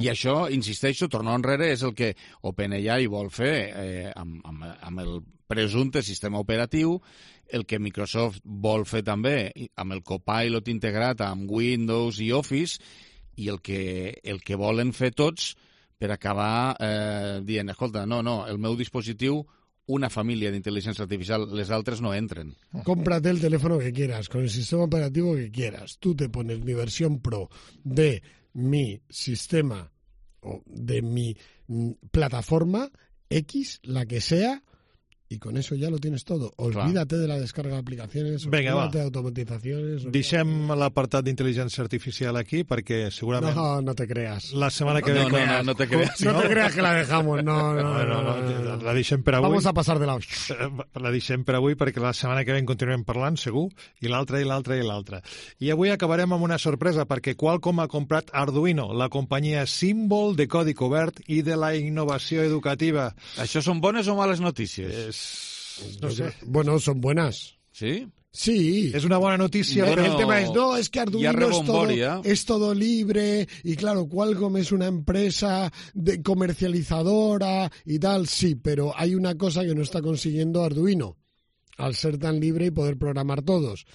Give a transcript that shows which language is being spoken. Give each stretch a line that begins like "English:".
Catalan: I això, insisteixo, tornar enrere, és el que OpenAI vol fer amb el presumpte sistema operatiu, el que Microsoft vol fer també amb el Copilot integrat amb Windows i Office, i el que volen fer tots per acabar dient, escolta, no, el meu dispositiu, una família d'intel·ligència artificial, les altres no entren.
Spanish: Cómprate el teléfono que quieras, con el sistema operativo que quieras. Tú te pones mi versión pro de mi sistema o de mi plataforma X, la que sea, y con eso ya lo tienes todo. Olvídate de la descarga de aplicaciones, olvídate de automatizaciones.
Catalan: Deixem l'apartat d'intel·ligència artificial aquí, perquè segurament...
Spanish: No te creas.
Catalan: La setmana que ve...
Spanish: No te creas que la dejamos. No.
Catalan: La deixem per avui.
Spanish: Vamos a pasar de la...
Catalan: La deixem per avui, perquè la setmana que ve continuem parlant, segur, i l'altra. I avui acabarem amb una sorpresa, perquè Qualcomm ha comprat Arduino, la companyia símbol de codi obert i de la innovació educativa. Això són bones o males notícies?
Spanish: Son buenas. ¿Sí? Sí. Es una buena noticia. Bueno, el tema es, no, es que Arduino es todo libre, y claro, Qualcomm es una empresa de comercializadora y tal, sí, pero hay una cosa que no está consiguiendo Arduino, al ser tan libre y poder programar todos.